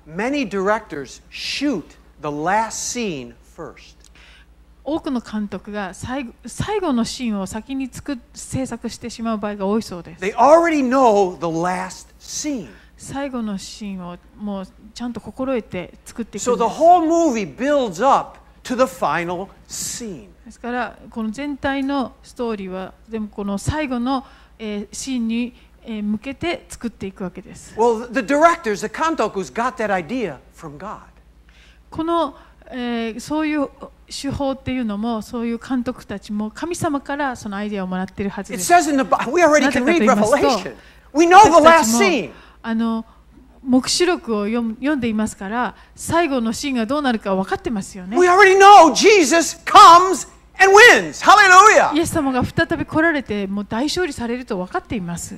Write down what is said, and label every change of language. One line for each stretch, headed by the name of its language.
English: Many directors shoot the last scene first.
Japanese: 多くの監督が最後のシーンを先に制作してしまう場合が多いそうです。
English: They already know the last scene.
Japanese: 最後のシーンをもうちゃんと心得て作っていくんです。
English: So the whole movie builds up to the final scene.
Japanese: ですからこの全体のストーリーはでもこの最後のシーンに向けて作っていくわけです。
English: Well, the directors, the 監督 who's got that idea from God.
Japanese: このそういう手法っていうのもそういう監督たちも神様からそのアイデアをもらっているはずです。
English: It says in the Bible, we already can read Revelation. We know the last scene.
Japanese: 黙示録を読んでいますから、最後のシーンがどうなるか分かってますよね。
English: We already know Jesus comes and wins. Hallelujah!
Japanese: イエス様が再び来られて、もう大勝利されると分かっています。